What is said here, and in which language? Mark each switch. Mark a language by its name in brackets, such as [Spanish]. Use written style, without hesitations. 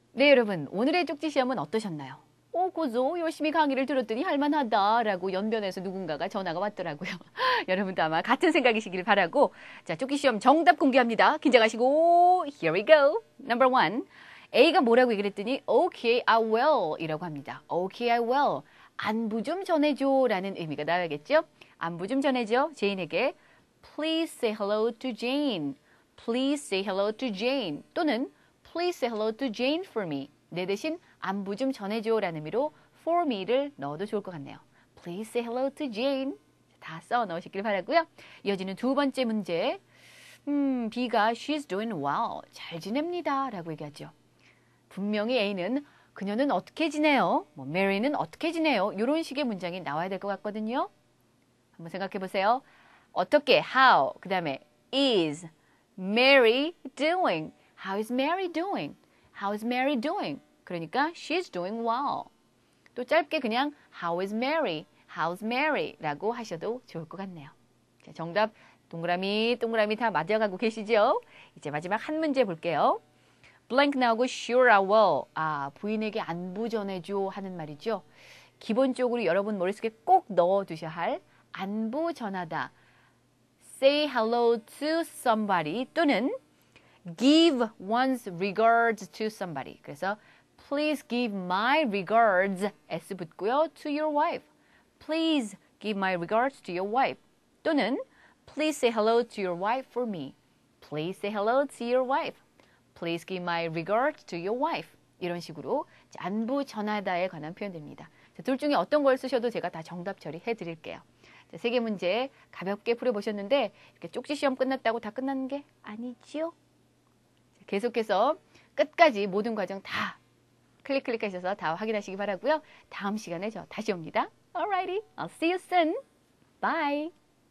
[Korean] 네, 여러분, 오늘의 쪽지 시험은 어떠셨나요? 오, 고조, 열심히 강의를 들었더니 할 만하다라고 연변에서 누군가가 전화가 왔더라고요. 여러분도 아마 같은 생각이시길 바라고. 자, 쪽지 시험 정답 공개합니다. 긴장하시고, [English] here we go. Number one, [Korean] A가 뭐라고 얘기했더니, [English] okay, I will [Korean] 이라고 합니다. [English] Okay, I will. [Korean] 안부 좀 전해줘 라는 의미가 나와야겠죠? 안부 좀 전해줘, 제인에게. [English] Please say hello to Jane. Please say hello to Jane. [Korean] 또는 [English] Please say hello to Jane for me. [Korean] 내 대신 안부 좀 전해줘라는 의미로 [English] for me [Korean] 를 넣어도 좋을 것 같네요. [English] Please say hello to Jane. [Korean] 다 써 넣으시길 바라고요. 이어지는 두 번째 문제. B가 [English] she's doing well. [Korean] 잘 지냅니다라고 얘기하죠. 분명히 A는 그녀는 어떻게 지내요? 뭐 Mary는 어떻게 지내요? 이런 식의 문장이 나와야 될것 같거든요. 한번 생각해 보세요. 어떻게 [English] how [Korean] 그다음에 [English] is Mary doing? How is Mary doing? How is Mary doing? [Korean] 그러니까 [English] she's doing well. [Korean] 또 짧게 그냥 [English] How is Mary? How's Mary? [Korean] 라고 하셔도 좋을 것 같네요. 자, 정답 동그라미 동그라미 다 맞아가고 계시죠? 이제 마지막 한 문제 볼게요. [English] Blank [Korean] 나오고 [English] Sure I will. [Korean] 아, 부인에게 안부 전해줘 하는 말이죠. 기본적으로 여러분 머릿속에 꼭 넣어두셔야 할 안부 전하다. [English] Say hello to somebody [Korean] 또는 [English] Give one's regards to somebody. [Korean] 그래서 [English] please give my regards s [Korean] 붙고요 [English] to your wife. Please give my regards to your wife. [Korean] 또는 [English] please say hello to your wife for me. Please say hello to your wife. Please give my regards to your wife. [Korean] 이런 식으로 안부 전하다에 관한 표현됩니다. 둘 중에 어떤 걸 쓰셔도 제가 다 정답 처리해 드릴게요. 세개 문제 가볍게 풀어 보셨는데 이렇게 쪽지 시험 끝났다고 다 끝나는 게 아니지요? 계속해서 끝까지 모든 과정 다 클릭하셔서 다 확인하시기 바라고요. 다음 시간에 저 다시 옵니다. [English] Alrighty, I'll see you soon. Bye.